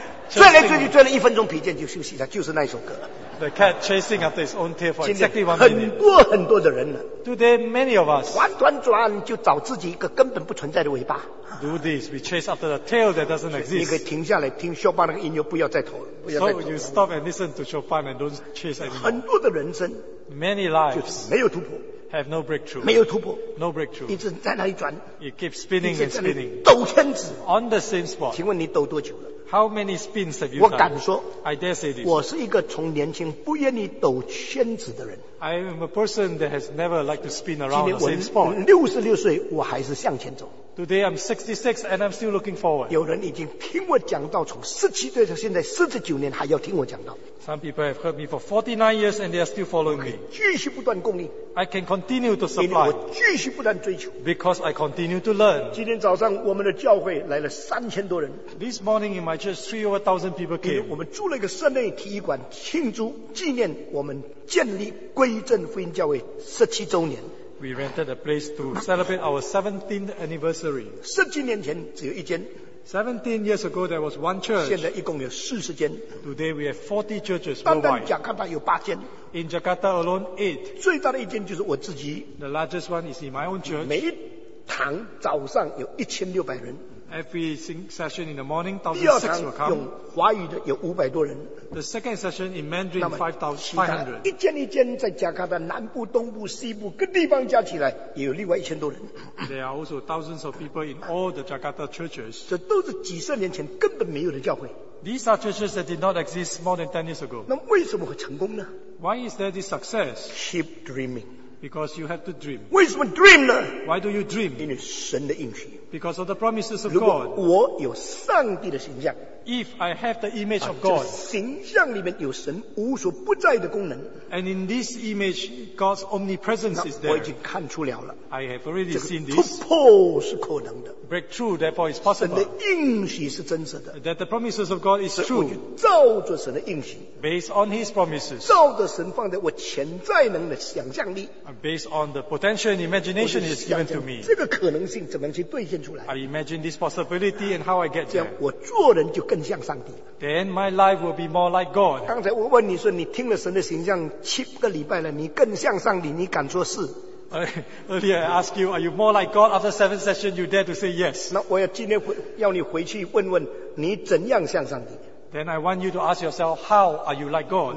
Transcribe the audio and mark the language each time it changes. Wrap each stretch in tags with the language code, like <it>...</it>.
<zh>追来追去，追了一分钟疲倦就休息了，就是那首歌。</zh> <en>The cat chasing after his own tail for exactly 1 minute. 很多很多的人呢。 Today, many of us.</en> <zh>团团转就找自己一个根本不存在的尾巴。</zh> <en>Do this. We chase after the tail that doesn't exist.</en> <zh>你可以停下来听肖邦那个音乐，不要再投了。</zh> <en>So you stop and listen to Chopin and don't chase anymore.</en> <zh>很多的人生。</zh> <en>Many lives.</en> <zh>就是没有突破。</zh> <en>Have no breakthrough.</en> <zh>没有突破。</zh> <en>No breakthrough.</en> <zh>一直在那里转。</zh> <en>It keeps spinning and spinning.</en> <zh>抖圈子。</zh> <en>On the same spot.</en> <zh>请问你抖多久了？</zh> <en>How many spins have you done?</en> <zh>我敢说</zh> <en>I dare say this.</en> <zh>我是一个从年轻不愿意抖圈子的人。</zh> <en>I am a person that has never liked to spin around the same spot.</en> <zh>66岁我还是向前走。</zh> <en>Today I'm 66 and I'm still looking forward.</en> <zh>有人已经听我讲到从17岁到现在49年还要听我讲到。</zh> <en>Some people have heard me for 49 years and they are still following me.</en> <zh>我可以继续不断供应。</zh> <en>I can continue to supply.</en> <zh>我继续不断追求。</zh> <en>Because I continue to learn.</en> <zh>今天早上我们的教会来了3000多人。</zh> <en>This morning in my church, 3,000 people came.</en> <zh>我们租了一个室内体育馆庆祝纪念我们建立归正福音教会17周年。</zh> <en>We rented a place to celebrate our 17th anniversary.</en> <zh>17年前只有一间。</zh> <en>17 years ago, there was one church.</en> <zh>现在一共有四十间。</zh> <en>Today we have 40 churches worldwide.</en> <zh>单单雅加达有八间。</zh> <en>In Jakarta alone, 8.</en> <zh>最大的一间就是我自己。</zh> <en>The largest one is in my own church.</en> <zh>每一堂早上有1600人。</zh> <en>Every session in the morning, 1,600 will come.</en> <zh>用华语的有500多人。</zh> <en>The second session in Mandarin, 5,500.</en> <zh>一间一间在加拿大南部、东部、西部各地方加起来，也有另外1000多人。</zh> <en>There are also thousands of people in all the Jakarta churches.</en> <zh>这都是几十年前根本没有的教会。</zh> <en>These are churches that did not exist more than 10 years ago.</en> <zh>那为什么会成功呢？</zh> <en>Why is there this success? Keep dreaming. Because you have to dream.</en> <zh>为什么 dream 呢？</zh> <en>Why do you dream?</en> <zh>因为神的应许。</zh> <en>Because of the promises of God.</en> <zh>如果我有上帝的形象。</zh> <en>If I have the image of God.</en> <zh>这个形象里面有神无所不在的功能。</zh> <en>And in this image, God's omnipresence is there.</en> <zh>我已经看出了了。</zh> <en>I have already seen this.</en> <zh>这个突破是可能的。</zh> <en>Breakthrough, therefore, is possible.</en> <zh>神的应许是真实的。</zh> <en>That the promises of God is true.</en> <zh>我就照着神的应许。</zh> <en>Based on His promises.</en> <zh>照着神放在我潜在能的想象力。</zh> <en>Based on the potential and imagination is given to me.</en> <zh>这个可能性怎么样去兑现出来？</zh> <en>I imagine this possibility and how I get there.</en> <zh>这样我做人就更像上帝。</zh> <en>Then my life will be more like God.</en> <zh>刚才我问你说，你听了神的形象七个礼拜了，你更像上帝，你敢说是？</zh> <en>Earlier I asked you, are you more like God? After 7 sessions, you dare to say yes.</en> <zh>那我要今天回要你回去问问你怎样像上帝。</zh> <en>Then I want you to ask yourself, how are you like God?</en>